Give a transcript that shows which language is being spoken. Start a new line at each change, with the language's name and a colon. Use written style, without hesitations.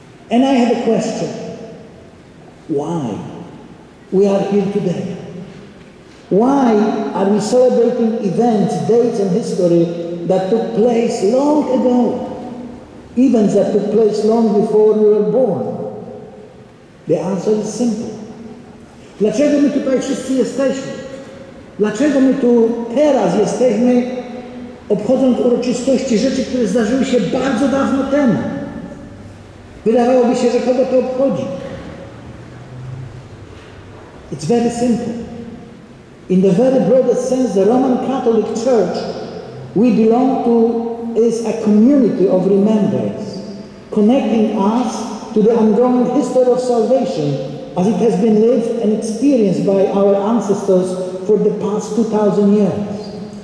English: And I have a question. Why we are here today? Why are we celebrating events, dates, and history that took place long ago? Events that took place long before we were born? The answer is simple.
Polish: Dlaczego my tutaj wszyscy jesteśmy? Dlaczego my tu teraz jesteśmy, obchodząc uroczystości rzeczy, które zdarzyły się bardzo dawno temu? Wydawałoby się, że kogo to obchodzi?
English: It's very simple. In the very broadest sense, the Roman Catholic Church we belong to is a community of remembrance, connecting us to the ongoing history of salvation as it has been lived and experienced by our ancestors for the past 2,000 years.